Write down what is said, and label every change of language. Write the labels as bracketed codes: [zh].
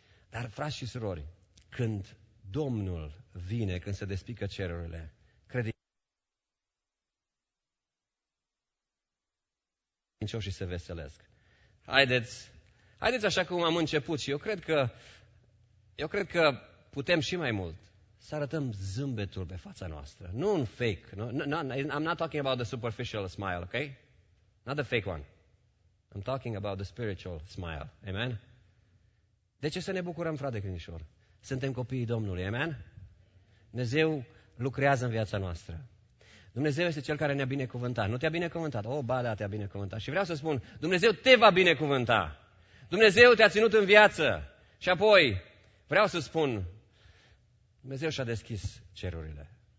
[ro] Dar, frați și surori, când Domnul vine, când se despică cerurile, credeți credincioșii se veselesc. Haideți așa cum am început și eu cred că putem și mai mult. Să arătăm zâmbetul pe fața noastră. Nu un fake. [en] I'm not talking about the superficial smile, okay? Not the fake one. I'm talking about the spiritual smile. Amen? [ro] De ce să ne bucurăm, frate credincioși? Suntem copiii Domnului. Amen? Dumnezeu lucrează în viața noastră. Dumnezeu este Cel care ne-a binecuvântat. Nu te-a binecuvântat? Oh, ba da, te-a binecuvântat. Și vreau să spun, Dumnezeu te va binecuvânta. Dumnezeu te-a ținut în viață. Și apoi, vreau să spun, Dumnezeu și-a deschis cerurile.